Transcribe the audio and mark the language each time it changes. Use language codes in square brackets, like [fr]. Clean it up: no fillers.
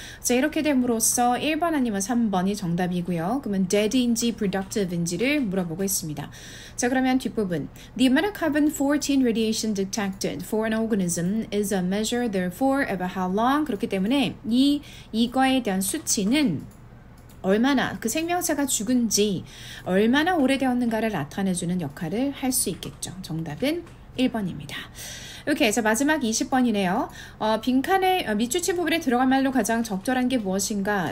[ko] 자, 이렇게 됨으로써 1번 아니면 3번이 정답이고요. 그러면 dead인지 productive인지를 물어보고 있습니다. 자, 그러면 뒷부분. [en] The amount of carbon 14 radiation detected for an organism is a measure therefore of how long. [ko] 그렇기 때문에 이거에 대한 수치는 얼마나 그 생명체가 죽은지 얼마나 오래되었는가를 나타내주는 역할을 할 수 있겠죠. 정답은 1번입니다. 오케이, 자, 마지막 20번이네요. 빈칸에 밑줄친 부분에 들어갈 말로 가장 적절한 게 무엇인가?